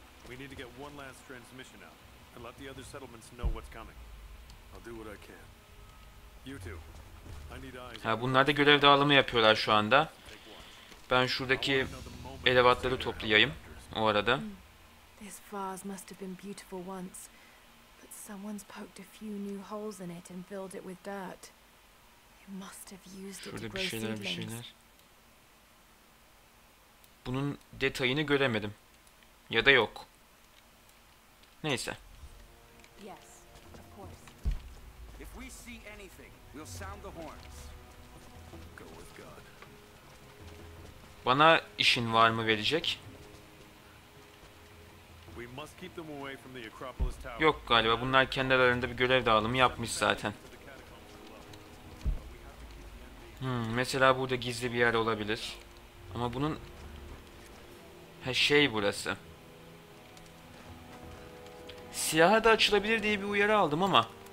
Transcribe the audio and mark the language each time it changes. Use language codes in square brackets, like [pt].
[en] We need to get one last transmission out and let the other settlements know what's coming. I'll do what I can. You too. I need eyes. [tr] Ha, bunlar da görev dağılımı yapıyorlar şu anda. Ben şuradaki elevatları toplayayım o arada. [en] This vase must have been beautiful once, but someone's poked a few new holes in it and filled it with dirt. You must have used it to grow seedlings. [tr] Bunun detayını göremedim. Ya da yok. Neyse. [en] Yes, of course. If we see anything, we'll sound the horns. Go with God. [tr] Bana işin var mı verecek? [en] We must keep them away from the Acropolis Tower. [tr] Yok galiba, bunlar kendi aralarında bir görev dağılımı yapmış zaten. Mesela burada gizli bir yer olabilir. Ama bunun şey burası. Siyaha da açılabilir diye bir uyarı aldım ama.